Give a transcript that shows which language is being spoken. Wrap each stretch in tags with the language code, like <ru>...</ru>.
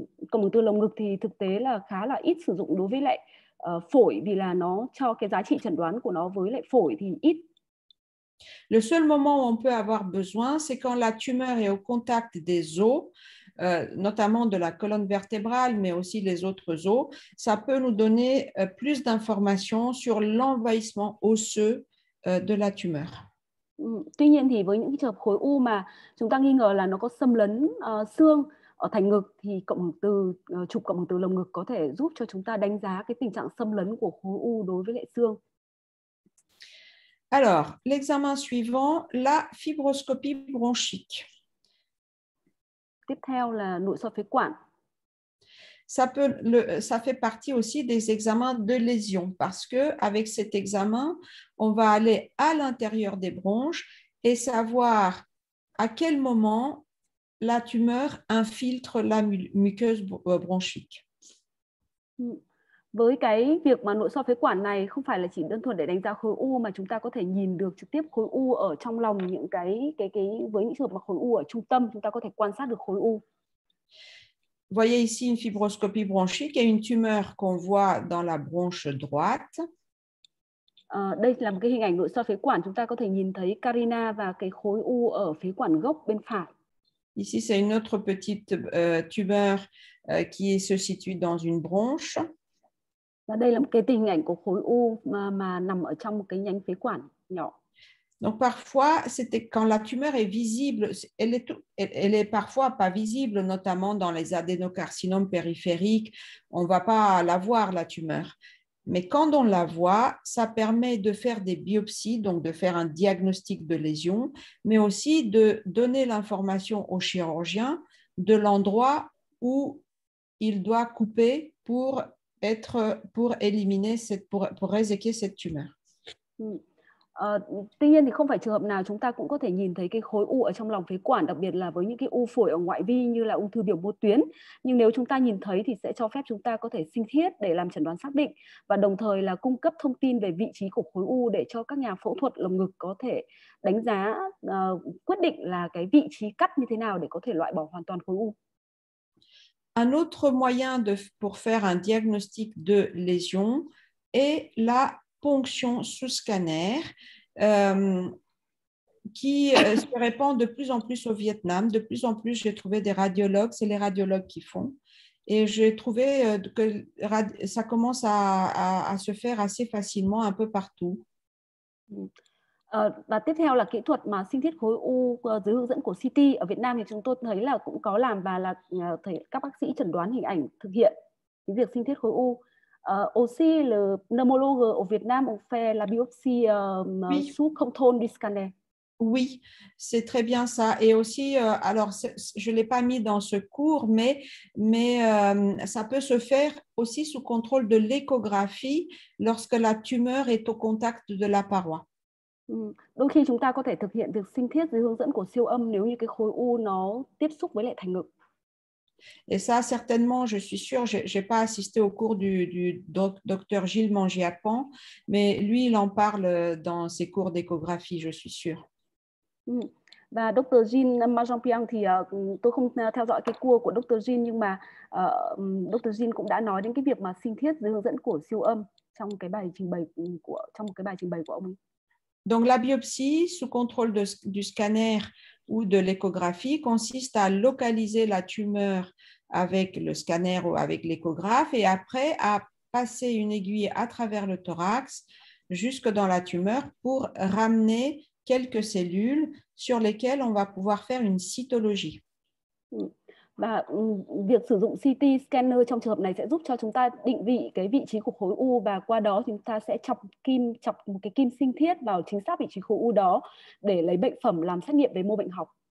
<vi>Cộng hưởng từ lồng ngực thì thực tế là khá là ít sử dụng đối với lại phổi vì là nó cho cái giá trị chẩn đoán của nó với lại phổi thì ít.</vi> <fr>Le seul moment où on peut avoir besoin, c'est quand la tumeur est au contact des os, notamment de la colonne vertébrale, mais aussi les autres os. Ça peut nous donner plus d'informations sur l'envahissement osseux de la tumeur.</fr> <vi>Tuy nhiên thì với những trường hợp khối u mà chúng ta nghi ngờ là nó có xâm lấn xương ở thành ngực thì chụp cộng hưởng từ lồng ngực có thể giúp cho chúng ta đánh giá cái tình trạng xâm lấn của khối u đối với lại xương.</vi> <fr>Alors, l'examen suivant, la fibroscopie bronchique.</fr> <vi>Tiếp theo là nội soi phế quản.</vi> <fr>Ça fait partie aussi des examens de lésion parce que avec cet examen, on va aller à l'intérieur des bronches et savoir à quel moment la tumeur infiltre la muqueuse bronchique.</fr> <vi>với cái việc mà nội soi phế quản này không phải là chỉ đơn thuần để đánh giá khối u mà chúng ta có thể nhìn được trực tiếp khối u ở trong lòng những cái với những trường hợp mà khối u ở trung tâm chúng ta có thể quan sát được khối u.</vi> <fr>Vous voyez ici une fibroscopie bronchique et une tumeur qu'on voit dans la bronche droite.</fr> <vi>Đây là một cái hình ảnh nội soi phế quản, chúng ta có thể nhìn thấy carina và cái khối u ở phế quản gốc bên phải.</vi> <fr>Ici c'est une autre petite tumeur qui se situe dans une bronche.</fr> <vi>Và đây là một cái hình ảnh của khối u mà nằm ở trong một cái nhánh phế quản nhỏ.</vi> <fr>Donc parfois, c'était quand la tumeur est visible, elle est parfois pas visible, notamment dans les adénocarcinomes périphériques, on ne va pas la voir la tumeur. Mais quand on la voit, ça permet de faire des biopsies, donc de faire un diagnostic de lésion, mais aussi de donner l'information au chirurgien de l'endroit où il doit couper pour éséquer cette tumeur.</fr> <vi>Tuy nhiên thì không phải trường hợp nào chúng ta cũng có thể nhìn thấy cái khối u ở trong lòng phế quản, đặc biệt là với những cái u phổi ở ngoại vi như là ung thư biểu mô tuyến. Nhưng nếu chúng ta nhìn thấy thì sẽ cho phép chúng ta có thể sinh thiết để làm chẩn đoán xác định và đồng thời là cung cấp thông tin về vị trí của khối u để cho các nhà phẫu thuật lồng ngực có thể đánh giá, quyết định là cái vị trí cắt như thế nào để có thể loại bỏ hoàn toàn khối u.</vi> <fr>Un autre moyen pour faire un diagnostic de lésion est la ponction sous scanner. Qui se répand de plus en plus au Vietnam. De plus en plus, j'ai trouvé des radiologues, c'est les radiologues qui font. Et j'ai trouvé que ça commence à se faire assez facilement un peu partout.</fr> <vi>Và tiếp theo là kỹ thuật mà sinh thiết khối u dưới hướng dẫn của CT. Ở Việt Nam thì chúng tôi thấy là cũng có làm và là các bác sĩ chẩn đoán hình ảnh thực hiện cái việc sinh thiết khối u.</vi> <fr>Aussi, le pneumologue au Vietnam, on fait la biopsie sous contrôle du scanner. Oui, c'est très bien ça. Et aussi, alors, je ne l'ai pas mis dans ce cours, mais ça peut se faire aussi sous contrôle de l'échographie lorsque la tumeur est au contact de la paroi.</fr> <vi>Đôi khi, chúng ta có thể thực hiện việc sinh thiết dưới hướng dẫn của siêu âm nếu như cái khối u nó tiếp xúc với lại thành ngực.</vi> <fr>Et ça, certainement, je suis sûre, je n'ai pas assisté au cours du docteur Gilles Mangiapan, mais lui, il en parle dans ses cours d'échographie, je suis sûre.</fr> <vi>Và Dr. Gilles Mangiapan, thì tôi không theo dõi cái cours của Dr. Gilles, nhưng mà Dr. Gilles cũng đã nói đến cái việc mà sinh thiết dưới hướng dẫn của siêu âm trong một cái bài trình bày của ông ấy.</vi> <fr>Donc la biopsie sous contrôle du scanner ou de l'échographie consiste à localiser la tumeur avec le scanner ou avec l'échographe et après à passer une aiguille à travers le thorax jusque dans la tumeur pour ramener quelques cellules sur lesquelles on va pouvoir faire une cytologie.</fr> <vi>Và việc sử dụng CT scanner trong trường hợp này sẽ giúp cho chúng ta định vị cái vị trí của khối u và qua đó chúng ta sẽ chọc một cái kim sinh thiết vào chính xác vị trí khối u đó để lấy bệnh phẩm làm xét nghiệm về mô bệnh học.</vi>